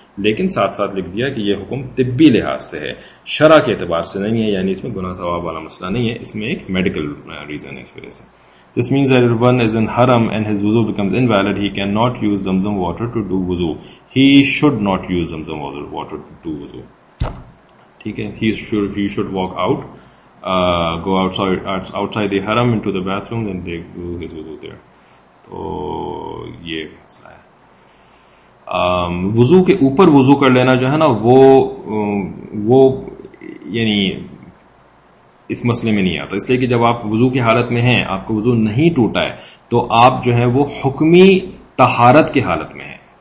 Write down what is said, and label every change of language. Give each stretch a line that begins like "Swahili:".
Urdu: لیکن ساتھ ساتھ لکھ دیا کہ یہ حکم طبی لحاظ سے ہے، شرع کے اعتبار سے نہیں ہے، یعنی اس میں گناہ ثواب والا مسئلہ نہیں ہے، اس میں ایک میڈیکل ریزن ہے. اس وجہ سے
English: This means that one is ان حرم and his وضو becomes in valid, he can not use Zamzam water to do وضو، he should not use Zamzam water to do وضو.
Urdu: ٹھیک ہے،
English: He should walk out go outside the haram into the bathroom and they do his wudu there.
Urdu: تو یہ مسئلہ ہے. وضو کے اوپر وضو کر لینا جو ہے نا وہ یعنی اس مسئلے میں نہیں آتا، اس لیے کہ جب آپ وضو کی حالت میں ہیں، آپ کو وضو نہیں ٹوٹا ہے، تو آپ جو ہے وہ حکمی طہارت کی حالت میں ہیں.